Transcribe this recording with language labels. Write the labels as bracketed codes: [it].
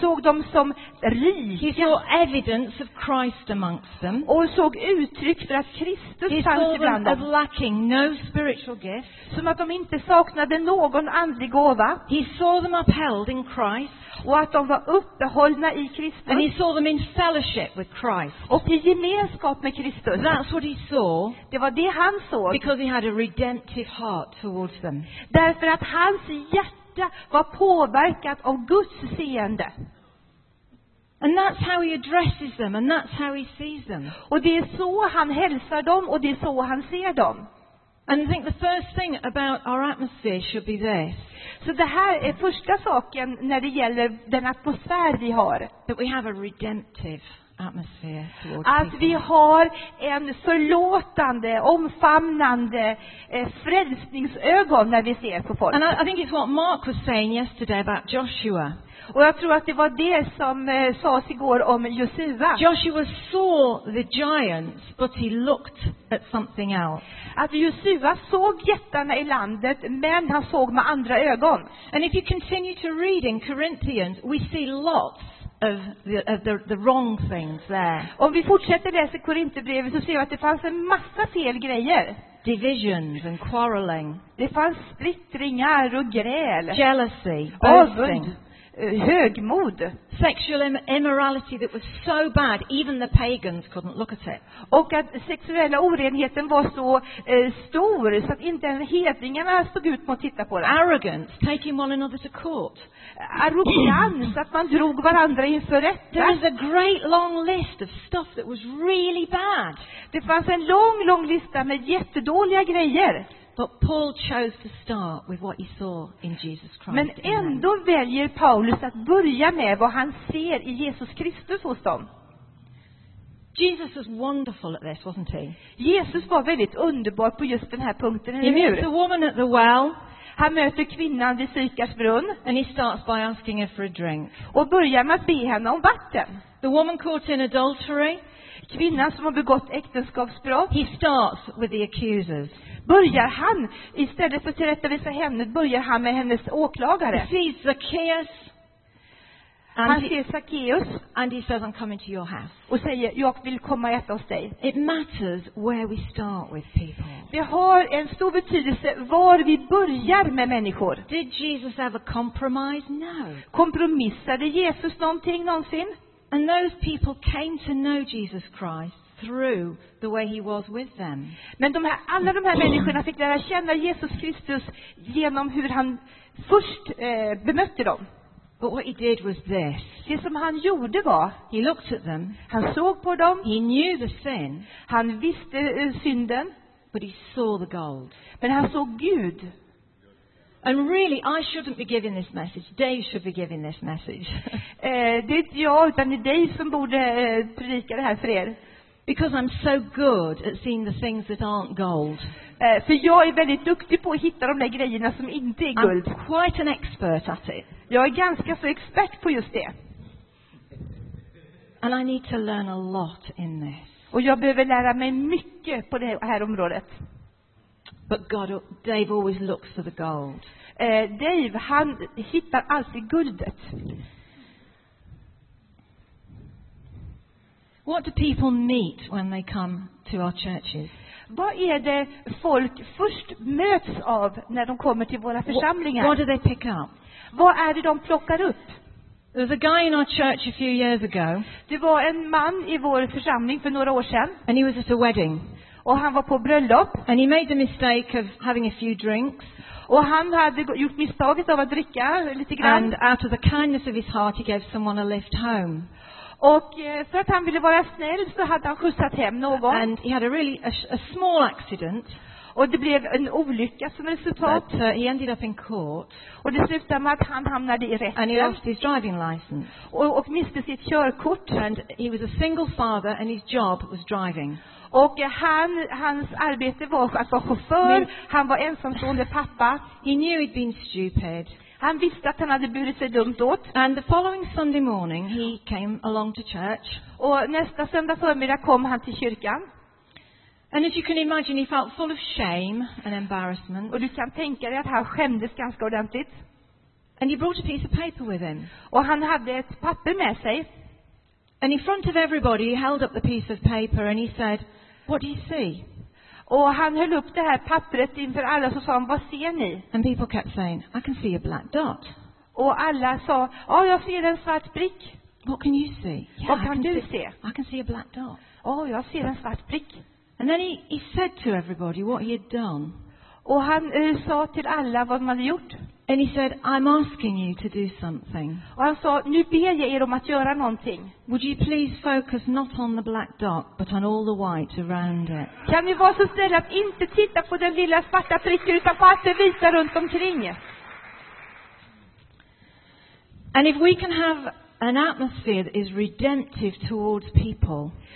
[sv] Såg dem som rika. [en] He saw evidence of Christ amongst them. [sv] Och såg uttryck för att Kristus fanns ibland dem. [en] He saw them as lacking no spiritual gift. [sv] Som att de inte saknade någon andlig gåva. [en] He saw them upheld in Christ. [sv] Och att de var uppehållna i Kristus. [en] And he saw them in fellowship with Christ. [sv] Och i gemenskap med Kristus. [en] That's what he saw. [sv] Det var det han såg. [en] Because he had a redemptive heart towards them. [sv] Därför att hans hjärta var påverkat av Guds seende. [en] And that's how he addresses them and that's how he sees them. [sv] Och det är så han hälsar dem och det är så han ser dem. [en] And I think the first thing about our atmosphere should be this. [sv] Så det här är första saken när det gäller den atmosfär vi har. [en] That we have a redemptive atmosphere towards people. [sv] Att vi har en förlåtande, omfamnande frälsningsögon när vi ser på folk. [en] And I think it's what Mark was saying yesterday about Joshua. [sv] Och jag tror att det var det som sades igår om Josua. [en] Joshua saw the giants, but he looked at something else. [sv] Att Josua såg jättarna i landet, men han såg med andra ögon. [en] And if you continue to read in Corinthians, we see lots of the wrong things there. [sv] Om vi fortsätter läsa Korinthierbrevet så ser vi att det fanns en massa fel grejer. [en] Divisions and quarreling. [sv] Det fanns splittringar och gräl. [en] Jealousy. Boasting. [sv] Högmod. [en] Sexual immorality that was so bad even the pagans couldn't look at it. [sv] Och att sexuella orenheten var så stor så att inte ens hedningarna stod ut mot att titta på det. [en] Arrogance, taking one another to court. [sv] Arrogans, att man drog varandra inför rätten. [en] There was a great long list of stuff that was really bad. [sv] Det fanns en lång, lång lista med jättedåliga grejer. [en] But Paul chose to start with what he saw in Jesus Christ. [sv] Men ändå väljer Paulus att börja med vad han ser i Jesus Kristus hos dem. [en] Jesus was wonderful at this, wasn't he? [sv] Jesus var väldigt underbar på just den här punkten. [en] He meets the woman at the well. [sv] Han möter kvinnan vid Sykars brunn. [en] And he starts by asking her for a drink. [sv] Och börjar med att be henne om vatten. [en] The woman caught in adultery. [sv] Kvinnan som har begått äktenskapsbrott. [en] He starts with the accusers. [sv] Börjar han, istället för att tillrättavisa henne, börjar han med hennes åklagare. [en] He sees Zacchaeus. [sv] Han ser Zacchaeus. [en] And he says, I'm coming to your house. [sv] Och säger, jag vill komma äta hos dig. [en] It matters where we start with people. [sv] Det har en stor betydelse var vi börjar med människor. [en] Did Jesus ever compromise? No. [sv] Kompromissade Jesus någonting någonsin? [en] And those people came to know Jesus Christ through the way he was with them. [sv] Men de här, alla de här människorna fick lära känna Jesus Kristus genom hur han först bemötte dem. [en] But what he did was this. [sv] Det som han gjorde var, [en] he looked at them. [sv] Han såg på dem. [en] He knew the sin. [sv] Han visste synden. [en] But he saw the gold. [sv] Men han såg Gud. [en] And really, I shouldn't be giving this message. Dave should be giving this message. [sv] Det är inte jag, utan det är Dave som borde predika det här för er. [en] Because I'm so good at seeing the things that aren't gold. [sv] För jag är väldigt duktig på att hitta de där grejerna som inte är guld. [en] I'm quite an expert at it. [sv] Jag är ganska så expert på just det. [en] And I need to learn a lot in this. [sv] Och jag behöver lära mig mycket på det här området. [en] But God, Dave always looks for the gold. [sv] Dave, han hittar alltid guldet. [en] What do people meet when they come to our churches? [sv] Vad är det folk först möts av när de kommer till våra församlingar? [en] What do they pick up? [sv] Vad är det de plockar upp? [en] There was a guy in our church a few years ago. [sv] Det var en man i vår församling för några år sedan. [en] And he was at a wedding. [sv] Och han var på bröllop. [en] And he made the mistake of having a few drinks. [sv] Och han hade gjort misstaget av att dricka lite grann. [en] And out of the kindness of his heart, he gave someone a lift home. [sv] Och för att han ville vara snäll så hade han skjutsat hem någon. [en] And he had a really a small accident. [sv] Och det blev en olycka som resultat. [en] But, he ended up in court. [sv] Och det slutade med att han hamnade i rätten. [en] And he lost his driving license. [sv] Och miste sitt körkort. [en] And he was a single father and his job was driving. [sv] Och hans arbete var att vara chaufför. Han var ensamstående pappa. [en] He knew he'd been stupid. [sv] Han visste att han hade burit sig dumt åt. [en] And the following Sunday morning he came along to church. [sv] Och nästa söndag förmiddag kom han till kyrkan. [en] And as you can imagine, he felt full of shame and embarrassment. [sv] Och du kan tänka dig att han skämdes ganska ordentligt. [en] And he brought a piece of paper with him. [sv] Och han hade ett papper med sig. [en] And in front of everybody, he held up the piece of paper and he said, "What do you see?" [sv] Och han höll upp det här pappret inför alla och sa, "Vad ser ni?" [en] And people kept saying, "I can see a black dot." [sv] Och alla sa, "Ja, jag ser en svart prick." [en] "What can you see?" [sv] "Ja, vad kan du se?" [en] "I can see a black dot." [sv] "Åh, jag ser en svart prick." [en] And then he said to everybody what he had done. [sv] Och han sa till alla vad man hade gjort. [en] And he said, I'm asking you to do something. [sv] Och han sa, nu ber jag er om att göra någonting. [en] Would you please focus not on the black dot, but on all the white around it? [sv] Kan ni vara så snälla att inte titta på den lilla svarta pricken utan på allt det vita runt omkring? [en] And if we can have an atmosphere that is redemptive towards people.